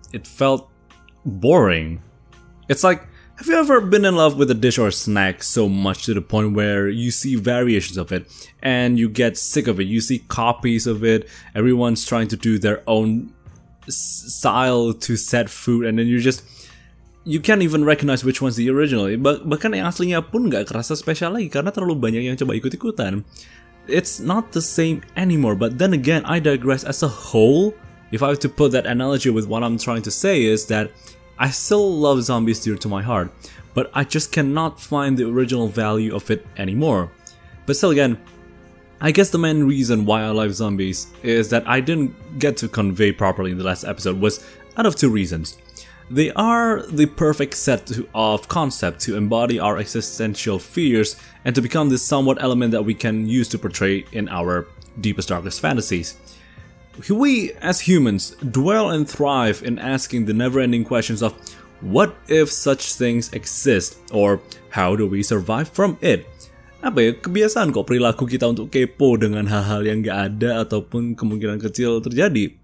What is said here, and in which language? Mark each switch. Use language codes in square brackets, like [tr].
[en] It felt boring. It's like, have you ever been in love with a dish or a snack so much to the point where you see variations of it and you get sick of it? You see copies of it, everyone's trying to do their own style to set food, and then you can't even recognize which one's the original. [id] Bahkan yang aslinya pun gak kerasa spesial lagi karena terlalu banyak yang coba ikut-ikutan. [en] It's not the same anymore, but then again, I digress. As a whole, if I were to put that analogy with what I'm trying to say is that I still love zombies dear to my heart, but I just cannot find the original value of it anymore. But still again, I guess the main reason why I love zombies is that I didn't get to convey properly in the last episode was out of two reasons. They are the perfect set of concept to embody our existential fears and to become the somewhat element that we can use to portray in our deepest, darkest fantasies. We, as humans, dwell and thrive in asking the never-ending questions of what if such things exist, or how do we survive from it? [id] apa ya, kebiasaan kok perilaku kita untuk kepo dengan hal-hal yang gak ada ataupun kemungkinan kecil terjadi.